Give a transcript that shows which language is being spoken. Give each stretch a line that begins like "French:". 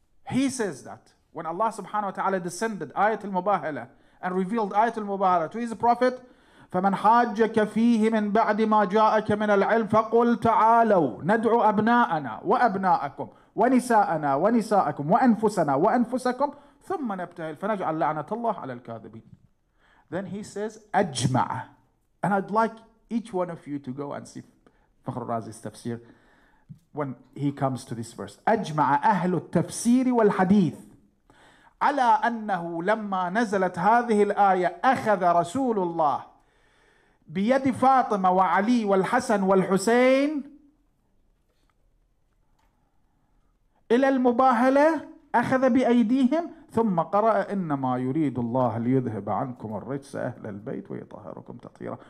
English: He says that when Allah subhanahu wa ta'ala descended Ayat al-Mubahala and revealed Ayat al-Mubahala to his Prophet,
Arabic: فَمَنْ حَاجَّكَ فِيهِ مِنْ بَعْدِ مَا جَاءَكَ مِنَ الْعِلْمِ فَقُلْ تَعَالَوْ نَدْعُ أَبْنَاءَنَا وَأَبْنَاءَكُمْ وَنِسَاءَنَا وَنِسَاءَكُمْ وَأَنفُسَنَا وَأَنفُسَكُمْ ثُمَّ نَبْتَهِلْ فَنَجْعَلْ لَعْنَةَ اللَّهِ عَلَى الْكَاذِبِينَ.
English: Then he says, أَجْمَعَ. And I'd like each one of you to go and see Fakhr al-Razi's tafsir when he comes to this verse.
Arabic: أَجْمَعَ أَهْلُ التَّفْسِيرِ وَالْحَدِيثِ عَلَىٰ أَنَّهُ لَمَّا نَزَلَتْ هَذِهِ الْآيَةِ أَخَذَ رَسُولُ اللَّهِ بيد فاطمة وعلي والحسن والحسين إلى المباهلة أخذ بأيديهم ثم قرأ إنما يريد الله ليذهب عنكم الرجس أهل البيت ويطهركم تطهيرا.